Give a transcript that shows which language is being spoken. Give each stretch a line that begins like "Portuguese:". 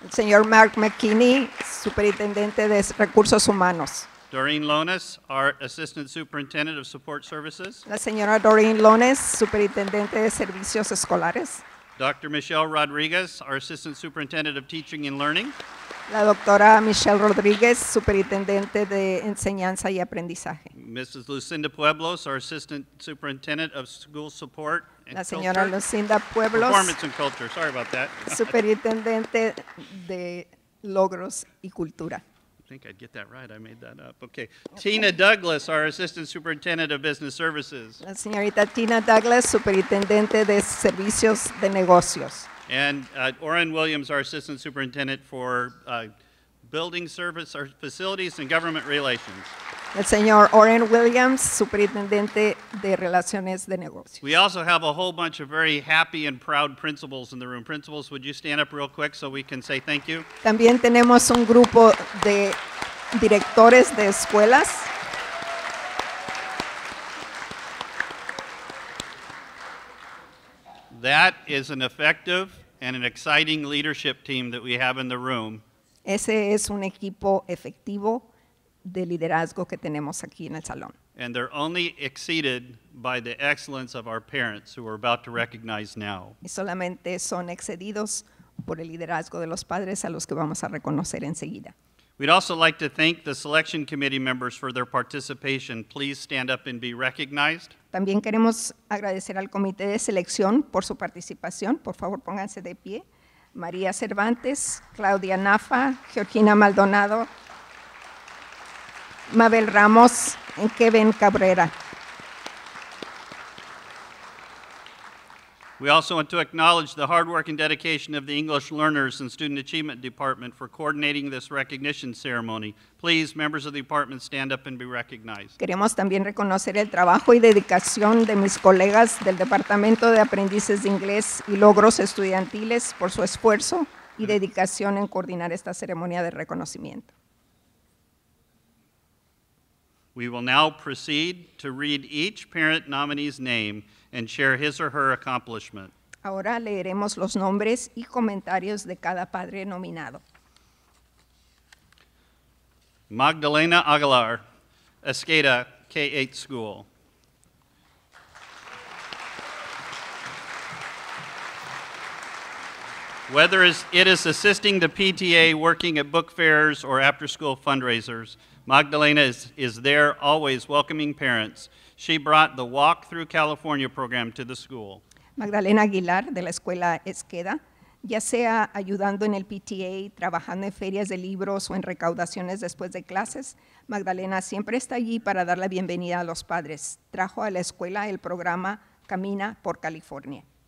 Spanish: El señor Mark McKinney, superintendente de recursos humanos.
English: Doreen Lones, our Assistant Superintendent of Support Services.
Spanish: La señora Doreen Lones, Superintendente de Servicios Escolares.
English: Dr. Michelle Rodriguez, our Assistant Superintendent of Teaching and Learning.
Spanish: La doctora Michelle Rodriguez, Superintendente de Enseñanza y Aprendizaje.
English: Mrs. Lucinda Pueblos, our Assistant Superintendent of School Support and Culture.
Spanish: La señora
English: Culture.
Spanish: Lucinda Pueblos.
English: Performance and Culture, sorry about that.
Spanish: Superintendente de Logros y Cultura.
English: I think I'd get that right. I made that up. Okay. Tina Douglas, our Assistant Superintendent of Business Services.
Spanish: La señorita Tina Douglas, Superintendente de Servicios de Negocios.
English: And Oren Williams, our Assistant Superintendent for Building Service, our Facilities and Government Relations.
Spanish: El señor Oren Williams, Superintendente de Relaciones de Negocios.
English: We also have a whole bunch of very happy and proud principals in the room. Principals, would you stand up real quick so we can say thank you?
Spanish: También tenemos un grupo de directores de escuelas.
English: That is an effective and an exciting leadership team that we have in the room.
Spanish: Ese es un equipo efectivo de liderazgo que tenemos aquí en el salón.
English: And they're only exceeded by the excellence of our parents who we're about to recognize now.
Spanish: Y solamente son excedidos por el liderazgo de los padres a los que vamos a reconocer enseguida.
English: We'd also like to thank the selection committee members for their participation. Please stand up and be recognized.
Spanish: También queremos agradecer al comité de selección por su participación. Por favor, pónganse de pie. María Cervantes, Claudia Nafa, Georgina Maldonado, Mabel Ramos y Kevin Cabrera.
English: We also want to acknowledge the hard work and dedication of the English Learners and Student Achievement Department for coordinating this recognition ceremony. Please, members of the department, stand up and be recognized.
Spanish: Queremos también reconocer el trabajo y dedicación de mis colegas del Departamento de Aprendices de Inglés y Logros Estudiantiles por su esfuerzo y dedicación en coordinar esta ceremonia de reconocimiento.
English: We will now proceed to read each parent nominee's name and share his or her accomplishment.
Spanish: Ahora leeremos los nombres y comentarios de cada padre nominado.
English: Magdalena Aguilar, Escada K-8 School. Whether it is assisting the PTA working at book fairs or after school fundraisers, Magdalena is there always welcoming parents. She brought the Walk Through California program to the school.
Spanish: Magdalena Aguilar, de la Escuela Esqueda, ya sea ayudando en el PTA, trabajando en ferias de libros o en recaudaciones después de clases, Magdalena siempre está allí para dar la bienvenida a los padres. Trajo a la escuela el programa Camina por California.